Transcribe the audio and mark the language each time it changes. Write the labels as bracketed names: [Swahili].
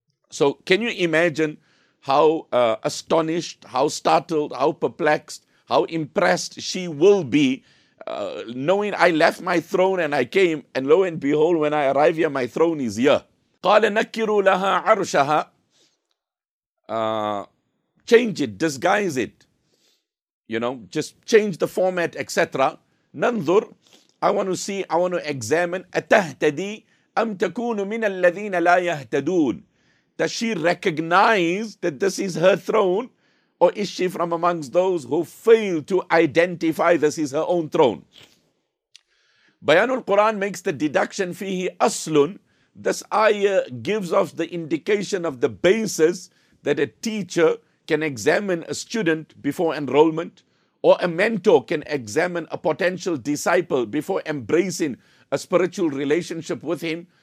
[English] So can you imagine how astonished, how startled, how perplexed, how impressed she will be, knowing I left my throne and I came, and lo and behold, when I arrive here, my throne is here. [Arabic] قال نكروا لها عرشها. [English] Change it, disguise it. You know, just change the format, etc. ننظر, I want to see, I want to examine. [Arabic] أتهتدي أم تكون من الذين لا يهتدون. [English] Does she recognize that this is her throne? Or is she from amongst those who fail to identify this is her own throne? Bayan al-Quran makes the deduction [Arabic] فيه أصلٌ. [English] This ayah gives us the indication of the basis that a teacher can examine a student before enrollment, or a mentor can examine a potential disciple before embracing a spiritual relationship with him.